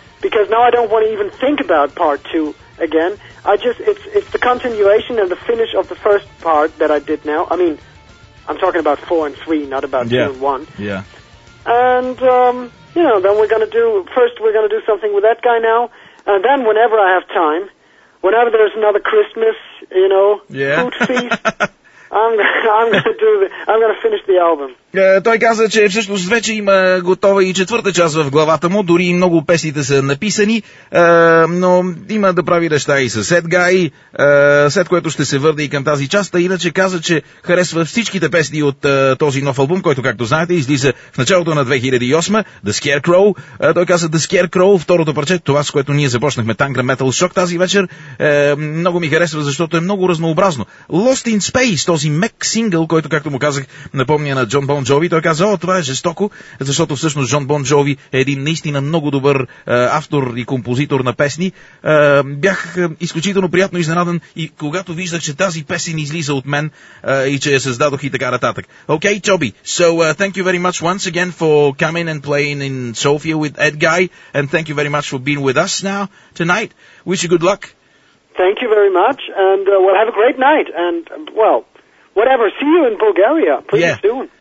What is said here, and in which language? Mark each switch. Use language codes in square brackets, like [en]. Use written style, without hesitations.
[en] Because now I don't want to even think about part two again. It's the continuation and the finish of the first part that I did now. I mean, I'm talking about 4 and 3, not about 2 and 1. Yeah. And, then we're going to do something with that guy now. And then whenever I have time, whenever there's another Christmas, you know, food feast, I'm gonna finish the album. [bg] Той каза, че всъщност вече има готова и четвърта част в главата му, дори и много песните са написани, но има да прави неща и със Едгай, след което ще се върне и към тази част, а иначе каза, че харесва всичките песни от този нов албум, който, както знаете, излиза в началото на 2008, The Scarecrow. Той каза, The Scarecrow, второто парче, това, с което ние започнахме Tangra Metal Shock тази вечер, много ми харесва, защото е много разнообразно. Lost in Space, този мек сингъл, който, както му казах, напомня на Джон Бон Джови. Той каза, о, това е жестоко, защото всъщност Джон Бон Джови е един наистина много добър автор и композитор на песни. Бях изключително приятно изненадан и когато виждах, че тази песен излиза от мен и че я създадох и така нататък. [en] Окей, Чоби, so thank you very much once again for coming and playing in Sofia with Edgai, and thank you very much for being with us now tonight. Wish you good luck. Thank you very much, and we'll have a great night, and well, whatever. See you in Bulgaria. Please, soon.